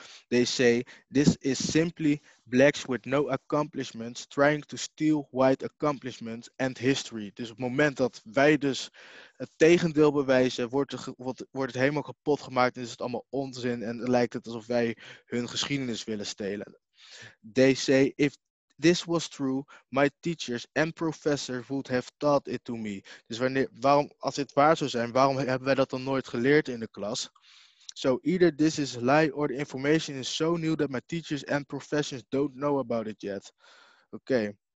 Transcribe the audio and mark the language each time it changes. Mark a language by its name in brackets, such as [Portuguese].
[English] They say, this is simply blacks with no accomplishments trying to steal white accomplishments and history. [Dutch] Dus op het moment dat wij dus het tegendeel bewijzen, wordt het helemaal kapot gemaakt en is het allemaal onzin en lijkt het alsof wij hun geschiedenis willen stelen. [English] They say, if this was true, my teachers and professors would have taught it to me. [Dutch] Dus als dit waar zou zijn, waarom hebben wij dat dan nooit geleerd in de klas? [English] So either this is a lie or the information is so new that my teachers and professors don't know about it yet. Okay.